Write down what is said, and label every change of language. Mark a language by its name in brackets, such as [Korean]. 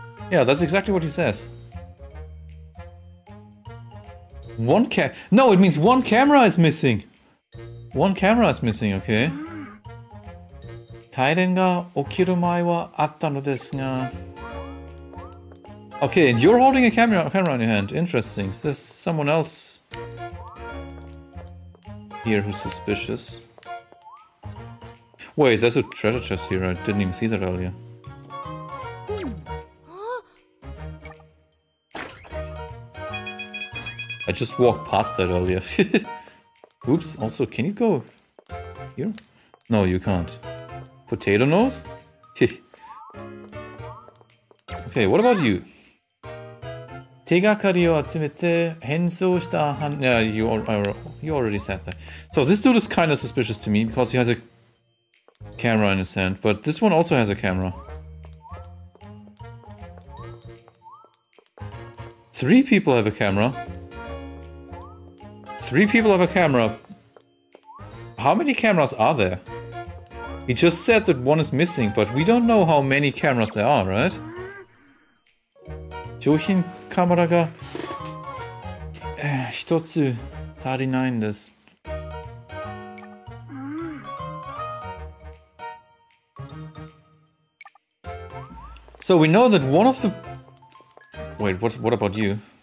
[English] Yeah, that's exactly what he says. It means one camera is missing. One camera is missing, okay. [Japanese] 停電が起きる前はあったのですが。 [English] Okay, and you're holding a camera in your hand. Interesting. So there's someone else here who's suspicious. Wait, there's a treasure chest here. I didn't even see that earlier. I just walked past that earlier. Oops, also, can you go here? No, you can't. Potato nose? Okay, what about you? [Japanese] 手がかりを集めて変装した犯 [English] 人。Yeah, you already said that. So this dude is kind of suspicious to me because he has a camera in his hand, but this one also has a camera. Three people have a camera. Three people have a camera. How many cameras are there? He just said that one is missing, but we don't know how many cameras there are, right? [Japanese] 商品カメラが一つ足りないんです。 [English] So we know that one of the... Wait, what about you?